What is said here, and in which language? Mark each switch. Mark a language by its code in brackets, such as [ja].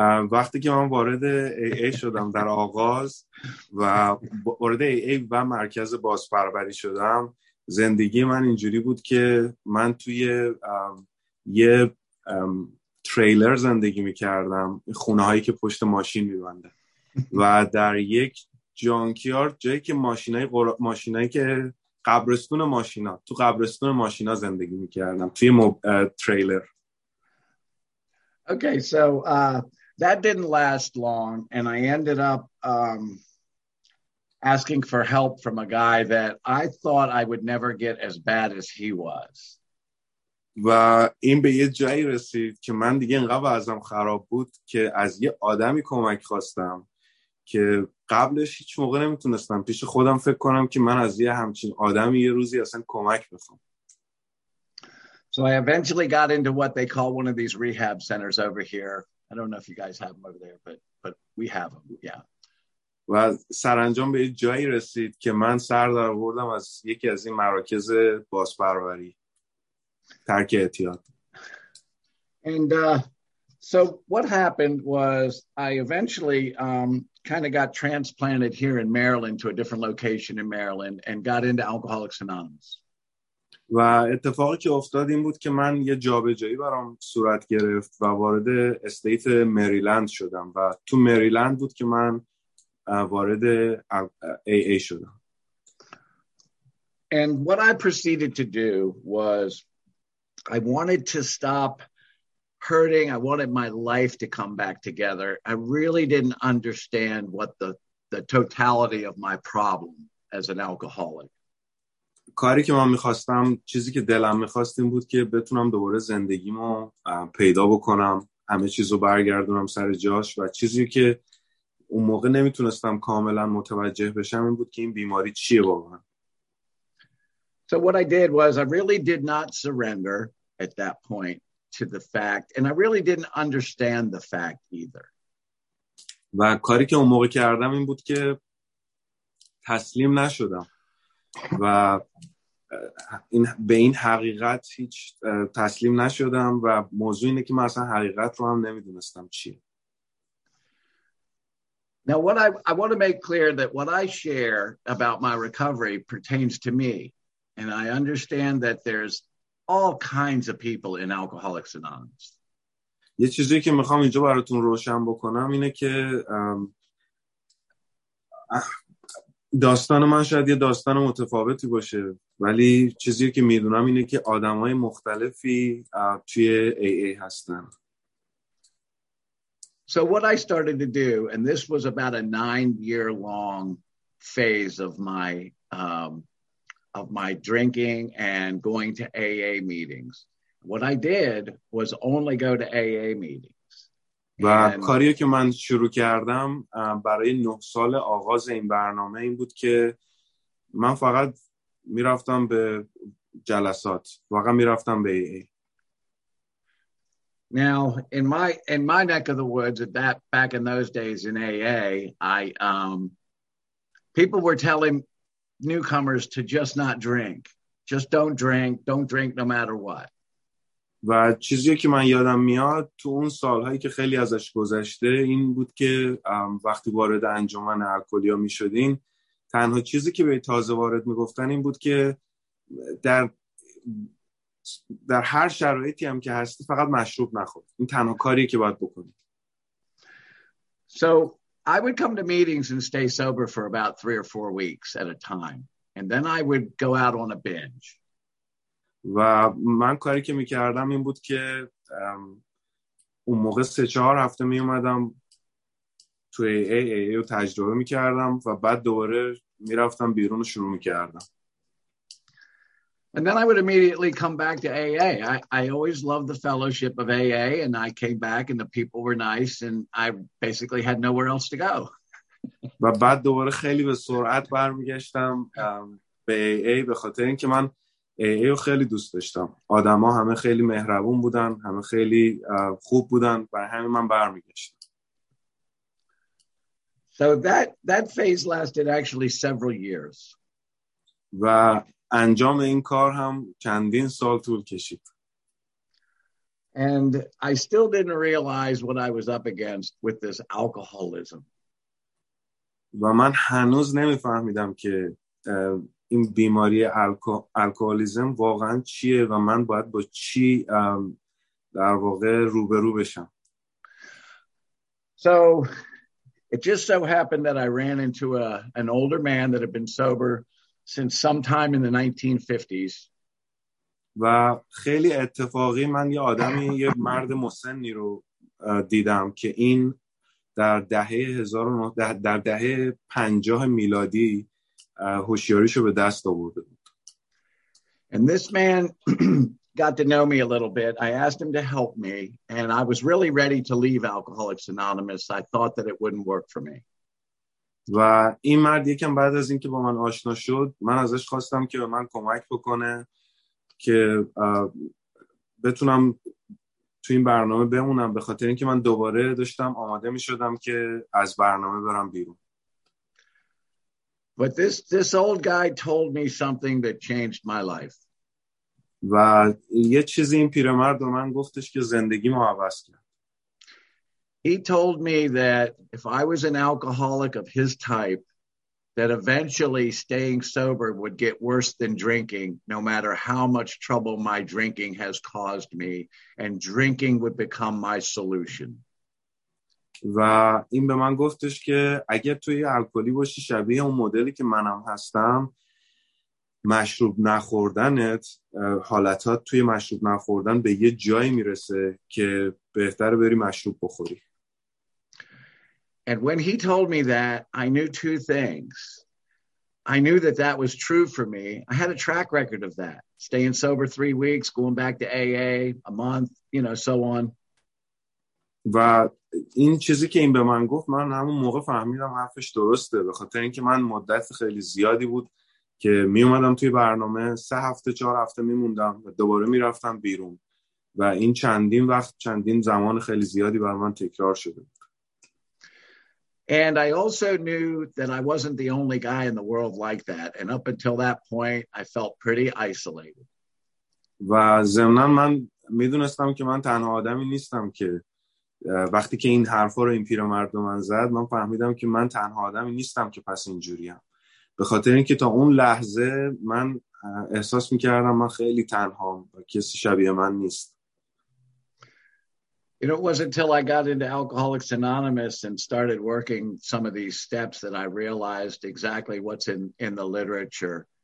[fa] وقتی که من وارد AA شدم در آغاز و وارد AA و مرکز بازپروری شدم، زندگی من اینجوری بود که من توی یه تریلر زندگی میکردم، خونه هایی که پشت ماشین میبنده، و در یک جانکیارد، جایی که ماشینایی که قبرستون ماشینا، تو قبرستون ماشینا زندگی میکردم توی تریلر. [en] Okay, so that didn't last long, and I ended up asking for help from a guy that I thought I would never get as bad as he was. [fa] و این به یه جایی رسید که من دیگه انقدر ازم خراب بود که از یه آدمی کمک خواستم که قبلش هیچ موقع نمیتونستم پیش خودم فکر کنم که من از یه همچین آدمی یه روزی اصلا کمک بخوام. [en] So I eventually got into what they call one of these rehab centers over here. I don't know if you guys have them over there, but we have them, yeah. [fa] و سرانجام به یه جایی رسید که من سر در آوردم از یکی از این مراکز بازپروری، ترک اعتیاد. [en] And so what happened was I eventually kind of got transplanted here in Maryland to a different location in Maryland and got into Alcoholics Anonymous. [fa] و اتفاقی که افتاد این بود که من یه جابجایی برام صورت گرفت و وارد استیت مریلند شدم و تو مریلند بود که من وارد ای ای شدم. [en] And what I proceeded to do was I wanted to stop hurting. I wanted my life to come back together. I really didn't understand what the totality of my problem as an alcoholic. [fa] کاری که من می‌خواستم، چیزی که دلم می‌خواست این بود که بتونم دوباره زندگیمو پیدا بکنم، همه چیزو برگردونم سر جاش، و چیزی که اون موقع نمیتونستم کاملا متوجه بشم این بود که این بیماری چیه واقعا. [en] So what I did was I really did not surrender at that point to the fact, and I really didn't understand the fact either. [fa] و کاری که اون موقع کردم این بود که تسلیم نشدم و این به این حقیقت هیچ تسلیم نشدم و موضوع اینه که من اصلا حقیقت رو هم نمیدونستم چیه. [en] Now what I want to make clear that what I share about my recovery pertains to me, and I understand that there's all kinds of people in Alcoholics Anonymous. [fa] یه چیزی که میخوام اینجا براتون روشن بکنم اینه که داستان من شاید یه داستان متفاوتی باشه، ولی چیزی که میدونم اینه که آدم‌های مختلفی توی AA هستن. [en] So what I started to do, and this was about a 9-year long phase of my drinking and going to AA meetings. What I did was only go to AA meetings. [fa] و کاری که من شروع کردم برای 9 سال آغاز این برنامه این بود که من فقط میرفتم به جلسات، واقعا میرفتم به AA. [en] Now in my neck of the woods at that back in those days in AA, people were telling newcomers to just not drink. Just don't drink no matter what. [fa] و چیزی که من یادم میاد تو اون سالهایی که خیلی ازش گذشته این بود که وقتی وارد انجمن الکلیا میشدین، تنها چیزی که به تازه وارد میگفتن این بود که در هر شرایطی هم که هستی فقط مشروب نخور، این تنها کاریه که باید بکنی. [en] So I would come to meetings and stay sober for about 3 or 4 weeks at a time, and then I would go out on a binge. [fa] و من کاری که میکردم این بود که اون موقع 3-4 هفته میومدم توی AA رو تجربه میکردم و بعد دوباره میرفتم بیرون و شروع میکردم. [en] And then I would immediately come back to AA. I always loved the fellowship of AA, and I came back and the people were nice and I basically had nowhere else to go. [fa] و بعد دوباره خیلی به سرعت برمیگشتم به AA به خاطر اینکه من AA رو خیلی دوست داشتم. آدم‌ها همه خیلی مهربون بودن، همه خیلی خوب بودن، برای همین من برمیگشتم. [en] So that phase lasted actually several years. [fa] و انجام این کار هم چندین سال طول کشید. [en] And I still didn't realize what I was up against with this alcoholism. [fa] و من هنوز نمیفهمیدم که این بیماری الکولیزم واقعا چیه و من باید با چی در واقع روبرو بشم. [en] So it just so happened that I ran into an older man that had been sober since sometime in the 1950s. [fa] و خیلی اتفاقی من یه آدمی یه مرد مسنی رو دیدم که این در دهه 50 میلادی هوشیاریشو به دست آورده بود. [en] And this man got to know me a little bit. I asked him to help me and I was really ready to leave Alcoholics Anonymous. I thought that it wouldn't work for me. [fa] و این مرد یکم بعد از اینکه با من آشنا شد، من ازش خواستم که به من کمک بکنه که بتونم تو این برنامه بمونم، به خاطر اینکه من دوباره داشتم آماده می‌شدم که از برنامه برم بیرون. [en] But this old guy told me something that changed my life. [fa] و یه چیزی این پیرمرد به من گفتش که زندگیمو عوض کرد. [en] He told me that if I was an alcoholic of his type, that eventually staying sober would get worse than drinking, no matter how much trouble my drinking has caused me, and drinking would become my solution. [fa] و این به من گفتش که اگه توی الکلی باشی شبیه اون مدلی که منم هستم، مشروب نخوردنت، حالتات توی مشروب نخوردن به یه جایی میرسه که بهتر بری مشروب بخوری. [en] And when he told me that, I knew two things. I knew that that was true for me. I had a track record of that. Staying sober 3 weeks, going back to AA, a month, you know, so on. [fa] و این چیزی که این به من گفت، من همون موقع فهمیدم حرفش درسته، به خاطر اینکه من مدت خیلی زیادی بود که می اومدم توی برنامه، 3 هفته 4 هفته میموندم و دوباره میرفتم بیرون، و این چندین وقت چندین زمان خیلی زیادی بر من تکرار شده. [en] And I also knew that I wasn't the only guy in the world like that, and up until that point I felt pretty isolated. [fa] و ضمناً من میدونستم که من تنها آدمی نیستم که وقتی که این حرفا رو این پیرمرد من زد، من فهمیدم که من تنها آدمی نیستم که پس اینجوریم، به خاطر اینکه تا اون لحظه من احساس میکردم من خیلی تنها و کسی شبیه من نیست. [en] You know, it wasn't until I got into Alcoholics Anonymous and started working some of these steps that I realized exactly what's in the literature.